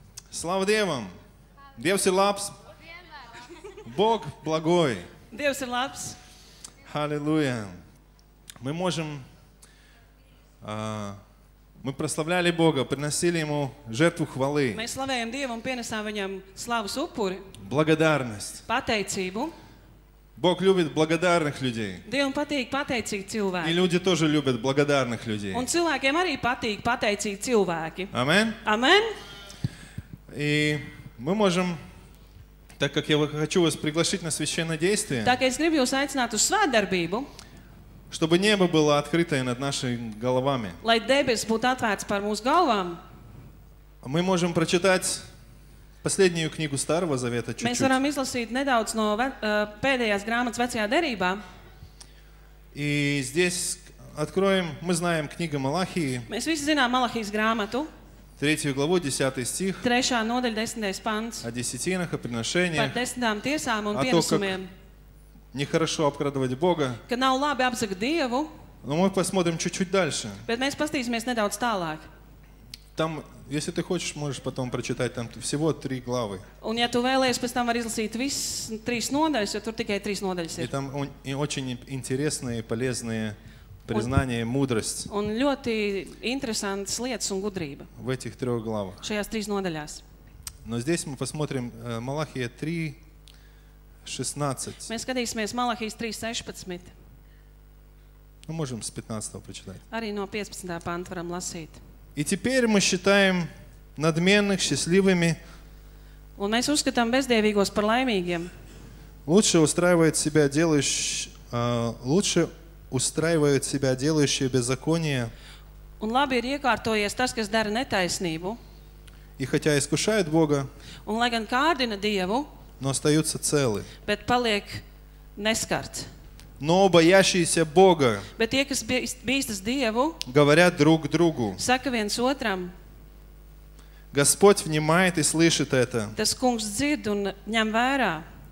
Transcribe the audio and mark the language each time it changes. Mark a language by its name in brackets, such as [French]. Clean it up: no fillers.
[Russian] Слава Dievam! [Latvian] Dievs ir labs! [Russian] Бог благой! [Latvian] Dievs ir labs! [Russian] Halleluja! Мы можем... мы прославляли Бога, приносили Ему жертву хвалы. Мы славяем [Latvian] Dievu un pienesām Viņam slavas upuri. [Russian] Благодарность. [Latvian] Pateicību. [Russian] Бог любит благодарных людей. [Latvian] Dievam patīk pateicīgi cilvēki. [Russian] И люди тоже любят благодарных людей. [Latvian] Un cilvēkiem arī patīk pateicīgi cilvēki. Amen. Amen. [Russian] И мы можем, так как я хочу вас пригласить на священное действие. [Latvian] Так es gribu jūs aicināt uz svētdarbību. [Russian] Чтобы небо было открыто над нашими головами. [Latvian] Lai debes būtu atvērts par mūsu galvām. [Russian] Мы можем прочитать последнюю книгу Старого Завета чуть-чуть. [Latvian] Mēs varam izlasīt nedaudz no pēdējās grāmatas vecajā derībā. [Russian] И здесь откроем, мы знаем книгу Малахии. [Latvian] Mēs visi zinām Malahijas grāmatu. [Russian] 3. главу, 10. стих. [Latvian] 3. nodaļa, 10. pants. [Russian] О десятинах и приношениях. [Latvian] Par desmitām tiesām un pienesumiem. [Russian] Нехорошо обкрадывать Бога. [Latvian] Ka nav labi apzagt Dievu. [Russian] Но мы посмотрим чуть-чуть дальше. [Latvian] Bet mēs paskatīsimies nedaudz tālāk. [Russian] Там, если ты хочешь, можешь потом прочитать там всего 3 главы. [Latvian] Un ja tu vēlies, pēc tam var izlasīt visas trīs nodaļas, jo tur tikai trīs nodaļas ir. [Russian] И там очень интересные, полезные признания, мудрость. [Latvian] Un ļoti interesantas lietas un gudrība. [Russian] В этих трёх главах. [Latvian] Šajās trīs nodaļās. [Russian] Но здесь мы посмотрим Малахия 3:16. [Latvian] Mēs skatīsimies Malahijas 3:16. [Russian] Ну, можем с 15-го прочитать. [Latvian] Arī no 15. Panta varam lasīt. [Russian] И теперь мы считаем надменных счастливыми. [Latvian] Un mēs uzskatām bezdievīgos par laimīgiem. [Russian] Лучше устраивает себя делающие, лучше устраивают себя делающие беззаконие. [Latvian] Un labi ir iekārtojies tas, kas dara netaisnību. [Russian] И хотя искушает Бога. [Latvian] Un lai gan kārdina Dievu. [Russian] Но остаются целы. [Latvian] Bet paliek neskarts. [Russian] Но боящиеся Бога. [Latvian] Bet tie, kas bīstas Dievu. [Russian] Говорят друг другу. [Latvian] Saka viens otram. [Russian] Господь внимает и слышит это. [Latvian] Tas kungs dzird un ņem vērā.